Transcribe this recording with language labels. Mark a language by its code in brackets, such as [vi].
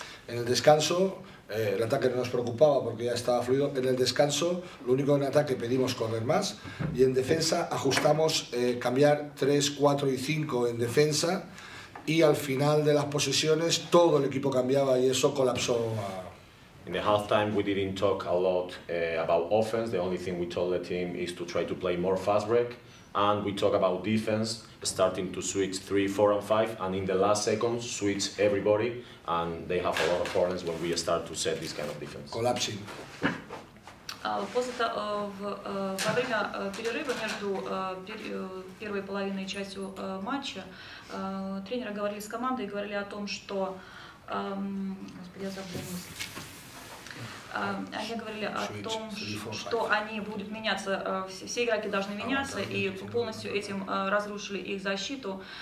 [es] En el descanso, el ataque no nos preocupaba porque ya estaba fluido. En el descanso, lo único en ataque pedimos correr más. Y en defensa ajustamos cambiar 3, 4 y 5 en defensa. Y al final de las posesiones, todo el equipo cambiaba y eso colapsó. [en] In the halftime, we didn't talk a lot about offense. The only thing we told the team is to try to play more fast break. And we talk about defense, starting to switch 3, 4, and 5, and in the last seconds switch everybody, and they have a lot of problems when we start to set this kind of defense. Collapsing. [ru] После того, во время перерыва между первой половиной и частью матча тренеры говорили с командой и говорили о том, что, господи, я забыл. Они говорили о том, что они будут меняться, все игроки должны меняться, и полностью этим разрушили их защиту.